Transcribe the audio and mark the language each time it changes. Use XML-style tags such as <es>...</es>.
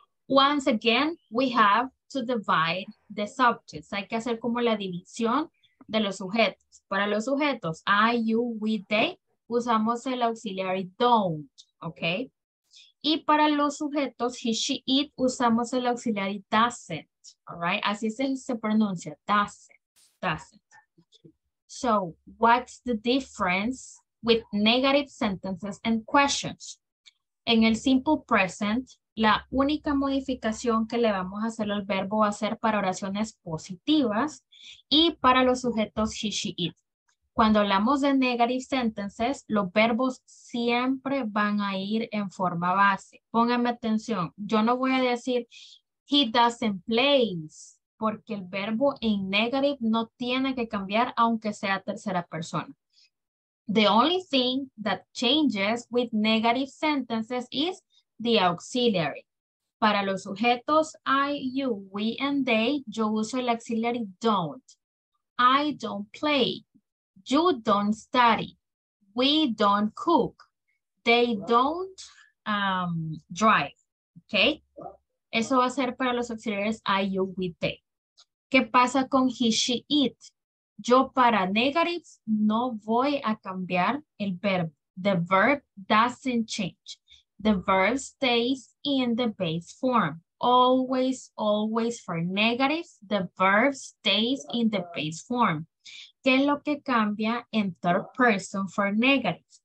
<en>Once again, we have to divide the subjects.</en> <es>Hay que hacer como la división de los sujetos. Para los sujetos,</es> <en>I, you, we, they,</en> <es>usamos el</es> <en>auxiliary don't, okay?</en> <es>Y para los sujetos,</es> <en>he, she, it,</en> <es>usamos el</es> <en>auxiliary doesn't, all right?</en> <es>Así se pronuncia,</es> <en>doesn't, doesn't. So, what's the difference with negative sentences and questions?</en> <es>En el simple present, La única modificación que le vamos a hacer al verbo va a ser para oraciones positivas y para los sujetos</es> <en>he, she, it.</en> <es>Cuando hablamos de</es> <en>negative sentences,</en> <es>los verbos siempre van a ir en forma base. Pónganme atención, yo no voy a decir</es> <en>he doesn't plays,</en> <es>porque el verbo en negative no tiene que cambiar aunque sea tercera persona.</es> <en>The only thing that changes with negative sentences is the auxiliary.</en> <es>Para los sujetos</es> <en>I, you, we, and they,</en> <es>yo uso el</es> <en>auxiliary don't. I don't play. You don't study. We don't cook. They don't drive. Okay?</en> <es>Eso va a ser para los auxiliares</es> <en>I, you, we, they.</en> <es>¿Qué pasa con</es> <en>he, she, it?</en> <es>Yo para negatives no voy a cambiar el verbo.</es> <en>The verb doesn't change. The verb stays in the base form. Always, always for negatives, the verb stays in the base form.</en> <es>¿Qué es lo que cambia en</es> <en>third person for negatives?</en>